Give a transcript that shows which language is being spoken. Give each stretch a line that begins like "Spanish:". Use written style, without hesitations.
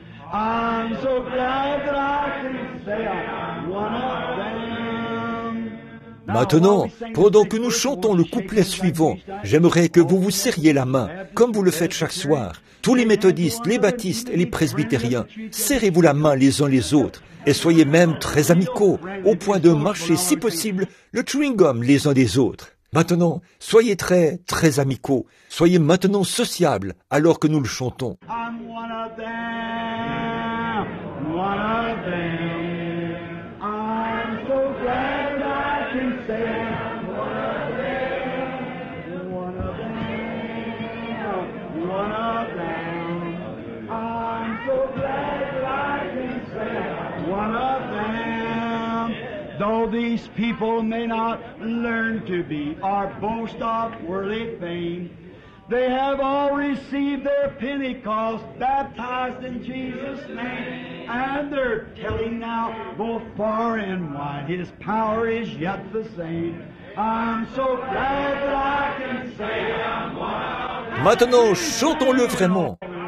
English: I'm so glad that I can say I'm one of them.
French: Maintenant, pendant que nous chantons le couplet suivant, j'aimerais que vous vous serriez la main, comme vous le faites chaque soir. Tous les méthodistes, les baptistes et les presbytériens, serrez-vous la main les uns les autres, et soyez même très amicaux, au point de mâcher, si possible, le chewing-gum les uns des autres. Maintenant, soyez très, très amicaux. Soyez maintenant sociables alors que nous le chantons.
English: I'm one of them, one of them. I'm so glad I can say I'm one of them, one of them, one of them. I'm so glad I can say I'm one of them. Though these people may not learn to be or boast of worldly fame, they have all received their Pentecost, baptized in Jesus' name, and they're telling now both far and wide His power is yet the same. I'm so glad that I can say I'm one of them.
French: Maintenant, chantons-le vraiment.